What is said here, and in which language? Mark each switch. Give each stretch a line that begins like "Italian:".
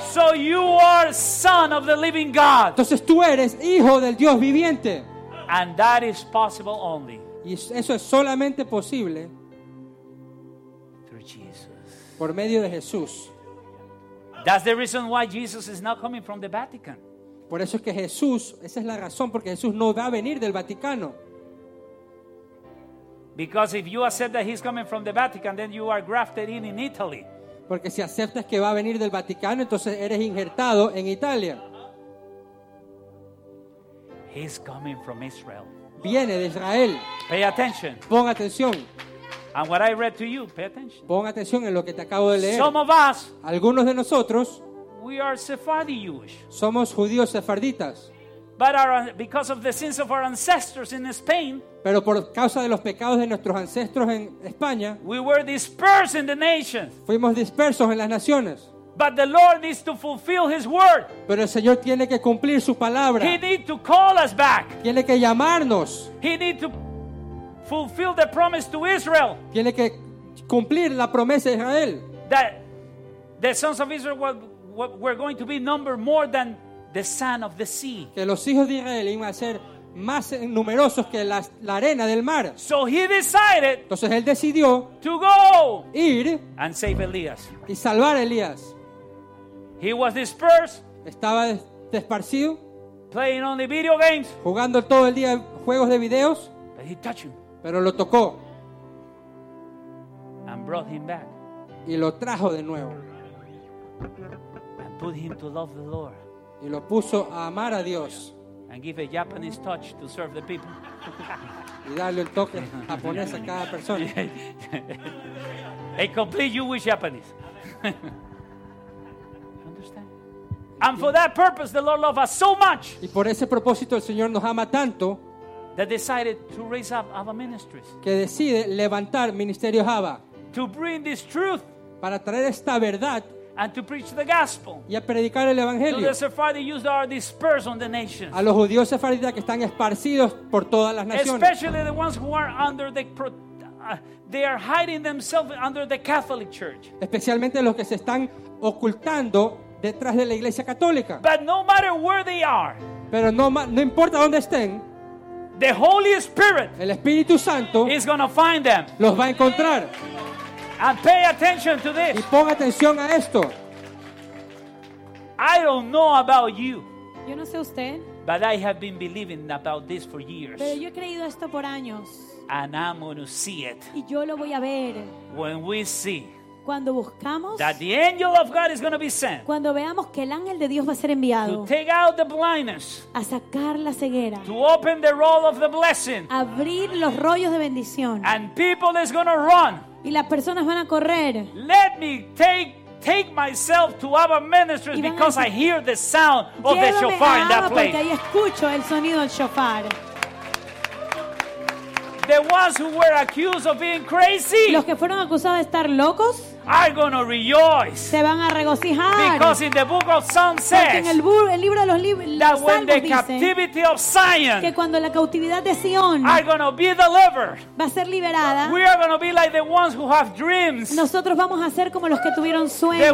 English: So you are son of the living God.
Spanish: Entonces tú eres hijo del Dios viviente.
English: And that is possible only.
Spanish: Y eso es solamente posible
English: through Jesus.
Spanish: Por medio de Jesús.
English: That's the reason why Jesus is not coming from the Vatican.
Spanish: Por eso es que Jesús, esa es la razón porque Jesús no va a venir del Vaticano.
English: Because if you accept that he's coming from the Vatican, then you are grafted in Italy.
Spanish: Porque si aceptas que va a venir del Vaticano, entonces eres injertado en Italia.
English: He's coming from Israel.
Spanish: Viene de Israel.
English: Pay attention.
Spanish: Pon atención.
English: And what I read to you, pay attention.
Spanish: Pon atención en lo que te acabo de leer.
English: Some of us,
Spanish: algunos de nosotros,
English: we are Sephardi Jewish.
Spanish: Somos judíos sefarditas.
English: But because of the sins of our ancestors in Spain,
Spanish: pero por causa de los pecados de nuestros ancestros en España,
English: we were dispersed in the nations.
Spanish: Fuimos dispersos en las naciones.
English: But the Lord needs to fulfill His word.
Spanish: Pero el Señor tiene que cumplir su palabra.
English: He needs to call us back.
Spanish: Tiene que llamarnos.
English: He needs to fulfill the promise to Israel.
Spanish: Tiene que cumplir la promesa de Israel.
English: That the sons of Israel were going to be numbered more than the sand of the sea.
Spanish: Que los hijos de Israel iban a ser más numerosos que la arena del mar.
English: So he decided.
Spanish: Entonces él decidió
English: to go
Spanish: ir
English: and save Elias.
Spanish: Y salvar a Elías.
English: He was dispersed.
Spanish: Estaba desparcido.
English: Playing only video games.
Spanish: Jugando todo el día juegos de videos.
English: But he touched him.
Spanish: Pero lo tocó.
English: And brought him back.
Spanish: Y lo trajo de nuevo.
English: And put him to love the Lord.
Spanish: Y lo puso a amar a Dios.
English: And give a Japanese touch to serve the people.
Spanish: Y darle un toque japonés a cada persona.
English: A complete Jewish Japanese. And for that purpose, the Lord loved us so much.
Spanish: Y por ese propósito, el Señor nos ama tanto.
English: That decided to raise up Ava ministries.
Spanish: Que decide levantar ministerios Ava.
English: To bring this truth.
Spanish: Para traer esta verdad.
English: And to preach the gospel.
Spanish: Y a predicar el evangelio.
English: To the Sephardi Jews that are dispersed on the nations.
Spanish: A los judíos sefarditas que están esparcidos por todas las naciones.
English: Especially the ones who are under the they are hiding themselves under the Catholic Church.
Spanish: Especialmente los que se están ocultando detrás de la Iglesia Católica.
English: But no matter where they are,
Spanish: pero no importa dónde estén,
English: the Holy Spirit,
Spanish: el Espíritu Santo,
English: is going to find them.
Spanish: Los va a encontrar.
English: And pay attention to this.
Spanish: Y pon atención a esto.
English: I don't know about you.
Spanish: Yo no sé usted.
English: But I have been believing about this for years.
Spanish: Pero yo he creído esto por años.
English: And I'm going to see it.
Spanish: Y yo lo voy a ver.
English: When we see.
Spanish: Cuando buscamos,
English: that the angel of God is going to be sent.
Spanish: Cuando veamos que el ángel de Dios va a ser enviado.
English: To take out the blindness.
Spanish: A sacar la ceguera.
English: To open the roll of the blessing.
Spanish: Abrir los rollos de bendición.
English: And people is going to run.
Spanish: Y las personas van a correr.
English: Let me take myself to Abba Ministries because I hear the sound of the shofar in that place.
Spanish: Porque ahí escucho el sonido del shofar.
English: The ones who were accused of being crazy,
Spanish: los que fueron acusados de estar locos,
English: are gonna rejoice.
Spanish: Se van a regocijar.
English: Because in the book of Psalms says,
Spanish: en el libro de los
English: that when the captivity of Zion,
Spanish: que cuando la cautividad de Sion,
English: are gonna be delivered,
Spanish: va a ser liberada.
English: We are gonna be like the ones who have dreams.
Spanish: Nosotros vamos a ser como los que tuvieron sueños.